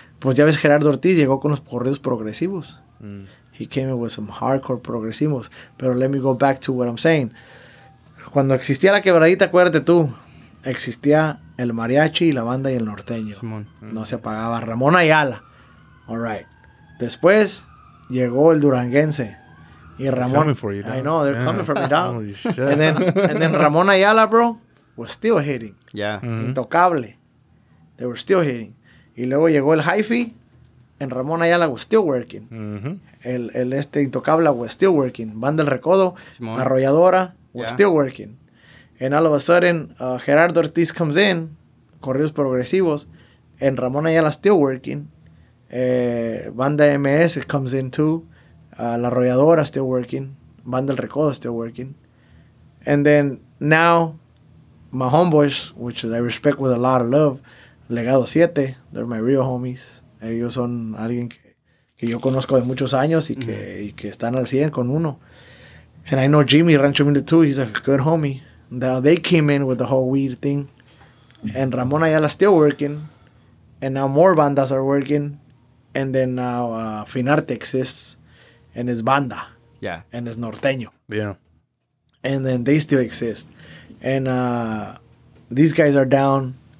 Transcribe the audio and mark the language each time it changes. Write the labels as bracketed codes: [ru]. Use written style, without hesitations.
[es] Pues ya ves, Gerardo Ortiz llegó con los corridos progresivos. [en] He came in with some hardcore progresivos. Pero let me go back to what I'm saying. [es] Cuando existía la quebradita, acuérdate tú, existía el mariachi y la banda y el norteño. Simón. No se apagaba. Ramón Ayala. All right. Después llegó el duranguense. Y Ramón. [en] Coming for you, I know, they're coming for me, dog. Holy shit. And then Ramón Ayala, bro, was still hitting. Yeah. Intocable. They were still hitting. [es] Y luego llegó el hi-fi. [en] And Ramón Ayala was still working. El Intocable was still working. Banda El Recodo, Simón. Arrolladora, was still working. And all of a sudden, Gerardo Ortiz comes in, corridos progresivos, and Ramón Ayala still working. Banda MS comes in too. La Arrolladora still working. Banda El Recodo still working. And then now, my homeboys, which I respect with a lot of love, Legado 7, they're my real homies. [es] Ellos son alguien que yo conozco de muchos años y que, y que están al 100 con uno. [en] And I know Jimmy Rancho Mundo too. He's a good homie. Now they came in with the whole weed thing. And Ramón Ayala still working. And now more bandas are working. And then now Finarte exists. And it's banda. Yeah. And it's norteño. Yeah. And then they still exist. And these guys are down.